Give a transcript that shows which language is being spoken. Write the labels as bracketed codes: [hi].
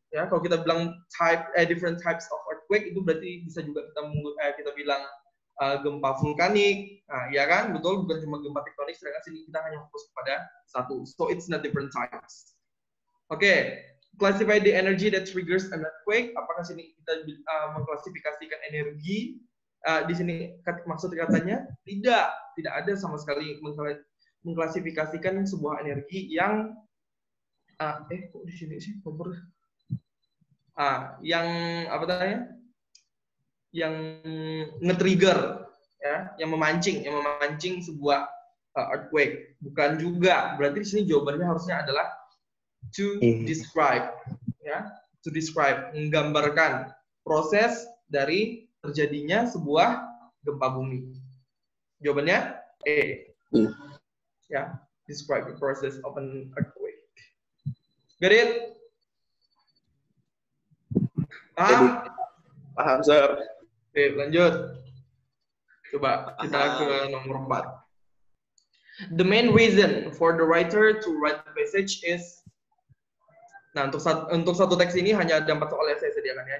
[id] Ya, kalau kita bilang [en] different types of earthquake, [id] itu berarti bisa juga kita bilang gempa vulkanik. Nah, ya kan, betul, bukan cuma gempa tektonik, sedangkan sini kita hanya fokus pada satu. [en] So it's not different types. Okay, classify the energy that triggers an earthquake. [id] Apakah sini kita mengklasifikasikan energi? Di sini maksud katanya tidak ada sama sekali mengklasifikasikan sebuah energi yang kok di sini sih kompor yang apa namanya yang nge-trigger ya yang memancing sebuah earthquake, bukan juga. Berarti di sini jawabannya harusnya adalah [en] to describe [id] menggambarkan proses dari terjadinya sebuah gempa bumi. Jawabannya A. Ya, [en] describe the process of an earthquake. Get it? [id] Paham? Paham, sir. Oke, lanjut. Coba kita ke nomor 4. [en] The main reason for the writer to write the passage is. [id] Nah, untuk satu teks ini hanya ada 4 soal yang saya sediakan ya.